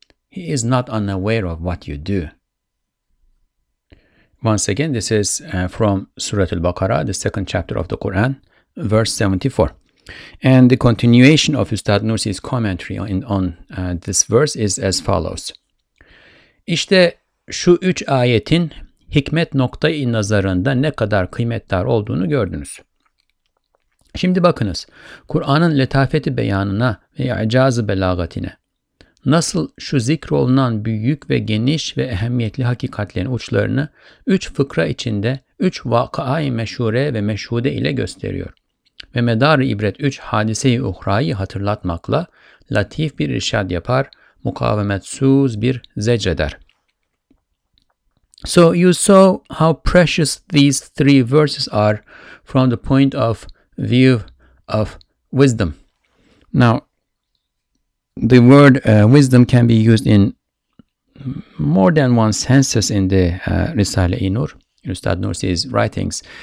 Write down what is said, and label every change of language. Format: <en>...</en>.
<en>He is not unaware of what you do. Once again, this is from Surah Al-Baqarah, the second chapter of the Quran, verse 74. And the continuation of Ustad Nursi's commentary on this verse is as follows.</en> <tr>İşte şu üç ayetin hikmet noktayı nazarında ne kadar kıymetli olduğunu gördünüz. Şimdi bakınız, Kur'an'ın letafeti beyanına ve icazı belagatine. Nasıl şu zikrolunan büyük ve geniş ve ehemmiyetli hakikatlerin uçlarını üç fıkra içinde üç vakıa-i meşhure ve meşhude ile gösteriyor. Ve medar-ı ibret üç hadise-i uhrayı hatırlatmakla latif bir irşad yapar, mukavemetsuz bir zecr eder.</tr> <en>So you saw how precious these three verses are from the point of view of wisdom. Now, the word wisdom can be used in more than one senses in the Risale-i Nur, Ustad Nursi's writings.</en>